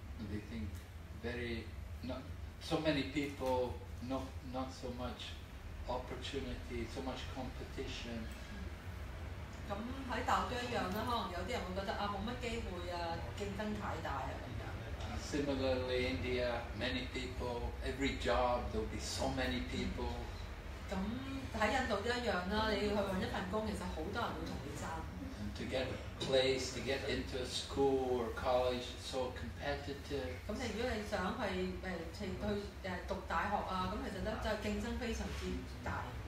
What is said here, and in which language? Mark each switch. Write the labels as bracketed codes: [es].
[en] They think very not so many people, not so much opportunity, so much competition. [yue] 咁喺大陸都一樣啦，可能有啲人會覺得啊冇乜機會啊，競爭太大啊咁樣。 [en] Similarly, India, many people, every job there'll be so many people. [yue] 咁喺印度都一樣啦，你去揾一份工，其實好多人會同你爭。 [en] To get a place, to get into a school or college, it's so competitive. [yue] 咁你如果你想去讀大學啊，咁其實咧就競爭非常之大。